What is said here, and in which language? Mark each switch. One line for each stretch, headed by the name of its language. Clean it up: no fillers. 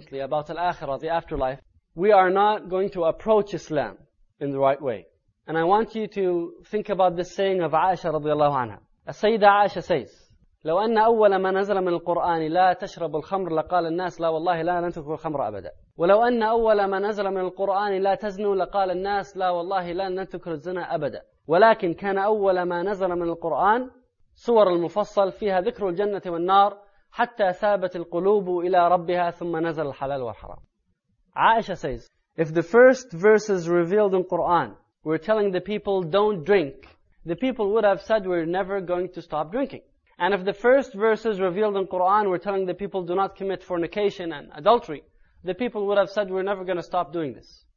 English: about al-akhirah, the afterlife, we are not going to approach Islam in the right way. And I want you to think about this saying of Aisha radiallahu anha. Sayyida Aisha says,
Arabic: لو أن أول ما نزل من القرآن لا تشرب الخمر لقال الناس لا والله لا لن تشرب الخمر أبدا ولو أن أول ما نزل من القرآن لا تزنوا لقال الناس لا والله لا لن تشرب الزنا أبدا ولكن كان أول ما نزل من القرآن سور المفصل فيها ذكر الجنة والنار حتى ثابت القلوب إلى ربها ثم نزل الحلال والحرام.
English: عائشة says, if the first verses revealed in Quran were telling the people don't drink, the people would have said we're never going to stop drinking. And if the first verses revealed in Quran were telling the people do not commit fornication and adultery, the people would have said we're never going to stop doing this.